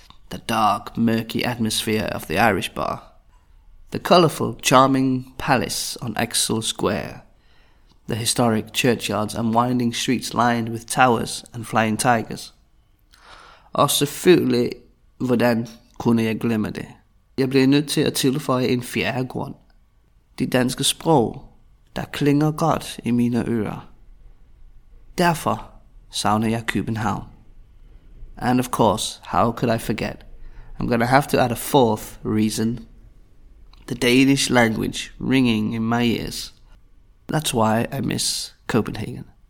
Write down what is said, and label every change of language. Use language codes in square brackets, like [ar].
[en] The dark, murky atmosphere of the Irish bar. The colourful, charming palace on Axel Square. The historic churchyards and winding streets lined with towers and flying tigers. [da] Og selvfølgelig, hvordan kunne jeg glemme det? Jeg bliver nødt til at tilføje en fjerde grund. De danske sprog. Der klinger godt I mine ører. Derfor savner jeg København. [en] And of course, how could I forget? I'm gonna have to add a fourth reason. The Danish language ringing in my ears. That's why I miss Copenhagen.